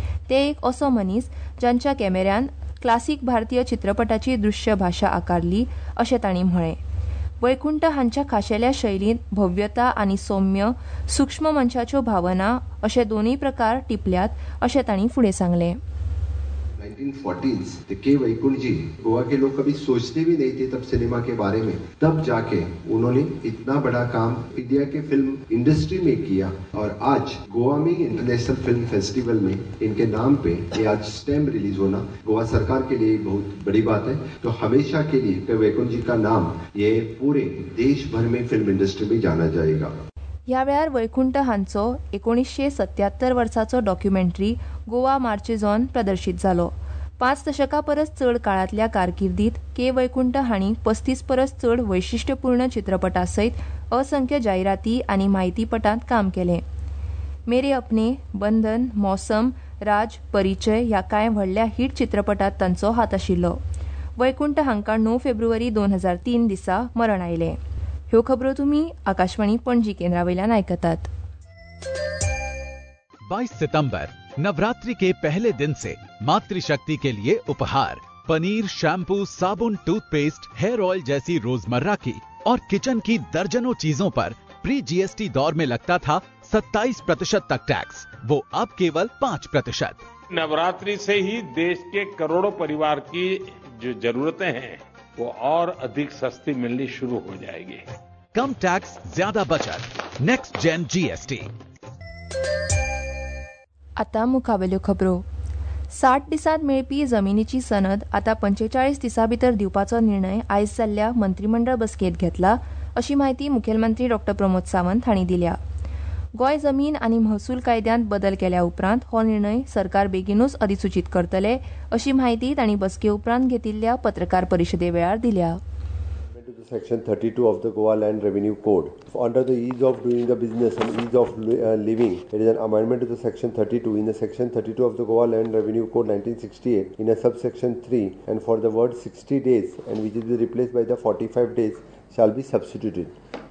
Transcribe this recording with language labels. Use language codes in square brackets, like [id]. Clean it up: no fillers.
[gom] ते एक असो मनीस ज्यांच्या कॅमेऱ्यान क्लासिक भारतीय चित्रपटाची दृश्य भाषा आकारली अशें तांणी म्हळें. वैकुंठ हांच्या खाशेल्या शैलींत भव्यता आनी सौम्य सूक्ष्म मनशाच्यो भावना अशे दोनूय प्रकार टिपल्यात अशें तांणी फुडें सांगलें. [hi] 1940s ते के वैकुंठ जी गोवा के लोग कभी सोचते भी नहीं थे तब सिनेमा के बारे में, तब जाके उन्होंने इतना बड़ा काम इंडिया के फिल्म इंडस्ट्री में किया और आज गोवा में इंटरनेशनल फिल्म फेस्टिवल में इनके नाम पे ये आज स्टैम्प रिलीज होना गोवा सरकार के लिए बहुत बड़ी बात है। तो हमेशा के लिए के वैकुंठ जी का नाम ये पूरे देश भर में फिल्म इंडस्ट्री में जाना जाएगा। [gom] या वेळार वैकुंठ हांचो 1977 वर्षाचो डॉक्युमेंटरी गोवा मार्चेझॉन प्रदर्शित झालो। 5 दशका परस चढ काळातल्या कारकिर्दीत के वैकुंठ हांणी 35 परस चढ वैशिष्ट्यपूर्ण चित्रपटासयत असंख्य जायराती आनी माहितीपटांत काम केले। मेरे अपने, बंधन, मौसम, राज, परिचय ह्या कांय व्हडल्या हिट चित्रपटांत तांचो हात आशिल्लो। वैकुंठ हांकां 9 फेब्रुवारी 2003 दिसा मरण आयले। ह्यो खबरो तुम्ही आकाशवाणी पणजी केंद्रावेल्यान ऐकतात। [hi] 22 सितंबर नवरात्रि के पहले दिन से मातृशक्ति के लिए उपहार पनीर, शैम्पू, साबुन, टूथपेस्ट, हेयर ऑयल जैसी रोजमर्रा की और किचन की दर्जनों चीजों पर प्री जीएसटी दौर में लगता था 27% तक टैक्स, वो अब केवल 5%। नवरात्रि से ही देश के करोड़ों परिवार की जो जरूरतें हैं वो और अधिक सस्ती मिलनी शुरू हो जाएगी। कम टैक्स, ज्यादा बचत, नेक्स्ट जेन जीएसटी। [gom] आता मुखावेल्यो खबरो। 60 दिसांत मेळपी जमिनीची सनद आता 45 दिसां भितर दिवपाचो निर्णय आयज जाल्ल्या मंत्रिमंडळ बसकेंत घेतला अशी माहिती मुखेलमंत्री डॉ प्रमोद सावंत हांणी दिल्या। गोंय जमीन आनी महसूल कायद्यांत बदल केल्या उपरांत हो निर्णय सरकार बेगीनूच अधिसूचीत करतले अशी माहिती तांणी बसके उपरांत घेतिल्ल्या पत्रकार परिशदे वेळार दिल्या। [en] Section 32 of the Goa Land Revenue Code. Under the ease of doing the business and ease of living, it is an amendment to the Section 32. In the Section 32 of the Goa Land Revenue Code 1968, in a subsection 3, and for the word 60 days, and which is replaced by the 45 days, shall be substituted.